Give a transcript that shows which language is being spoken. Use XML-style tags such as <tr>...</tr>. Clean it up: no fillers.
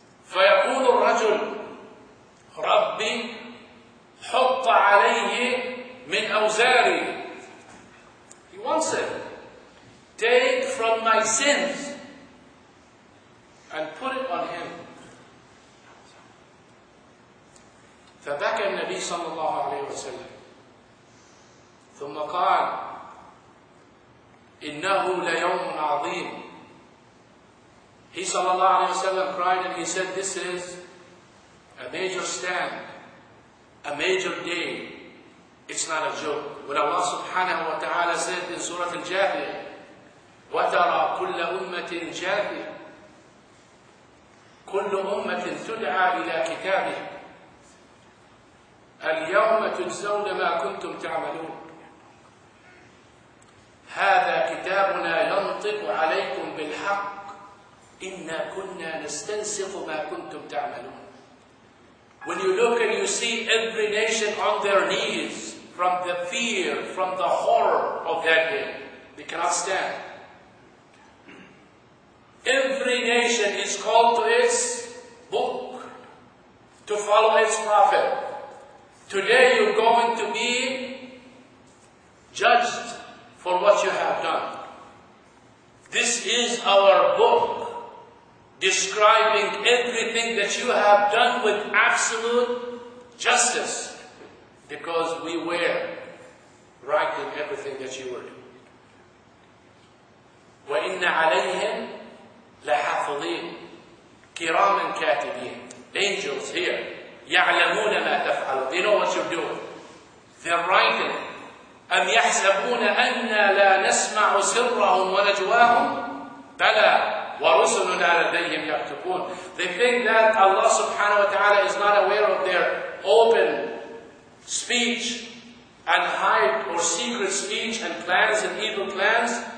<ar>فَيَقُولُ الرَّجُلُ رَبِّي حُطَّ عَلَيْهِ مِنْ أَوْزَارِي.</ar> <en>He wants it. Take from my sins and put it on him.</en> <ar>فبكى النبي صلى الله عليه وسلم ثم قال إنه ليوم عظيم.</ar> <en>He صلى الله عليه وسلم cried and he said, this is a major stand, a major day. It's not a joke. When Allah subhanahu wa ta'ala said in Surah Al-Jathiyah,</en> <ar>وترى كل أمة جاثية كل أمة تدعى إلى كتابها اليوم تجزون ما كنتم تعملون هذا كتابنا ينطق عليكم بالحق إنا كنا نستنسخ ما كنتم تعملون.</ar> <en>When you look and you see every nation on their knees from the fear, from the horror of that day, they cannot stand. Every nation is called to its book, to follow its prophet. Today you're going to be judged for what you have done. This is our book describing everything that you have done with absolute justice because we were right in everything that you were doing.</en> <ar>وَإِنَّ عَلَيْهِمْ لَحَفْظِينَ كِرَامًا كَاتِبِينَ.</ar> <en>Angels here,</en> <ar>يَعْلَمُونَ مَا تَفْعَلُ.</ar> <en>They know what you're doing. They're writing.</en> <ar>أَمْ يَحْسَبُونَ أَنَّا لَا نَسْمَعُ سِرَّهُمْ وَنَجْوَاهُمْ بَلَى وَرُسُلُنَا لَدَيْهِمْ يَكْتُبُونَ.</ar> <en>They think that Allah subhanahu wa ta'ala is not aware of their open speech and hide or secret speech and plans and evil plans.</en>